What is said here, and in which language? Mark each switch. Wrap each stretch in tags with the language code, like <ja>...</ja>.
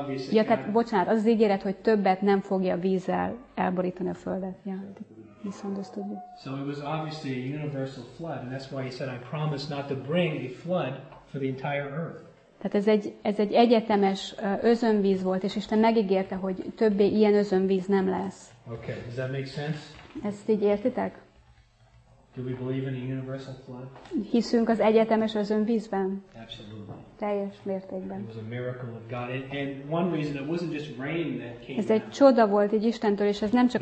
<hu>Ja, tehát bocsánat, az ígéret, hogy többet nem fogja vízzel elborítani a földet.</hu> <en>Ja, misunderstood. So it was obviously a universal flood, and that's why he said, "I promise not to bring a flood for the entire earth."</en> <hu>Tehát ez egy egyetemes özönvíz volt, és Isten megígérte, hogy többé ilyen özönvíz nem lesz.</hu> <en>Okay, does that make sense?</en> <hu>Ezt így értitek?</hu> <en>Do we believe in a universal flood?</en> <hu>Hiszünk az egyetemes özönvízben?</hu> <en>Absolutely.</en> <hu>Teljes mértékben.</hu> <en>It was a miracle of God, and one reason it wasn't just rain that came.</en> <hu>Ez egy csoda volt egy Istentől, és ez nem csak</hu>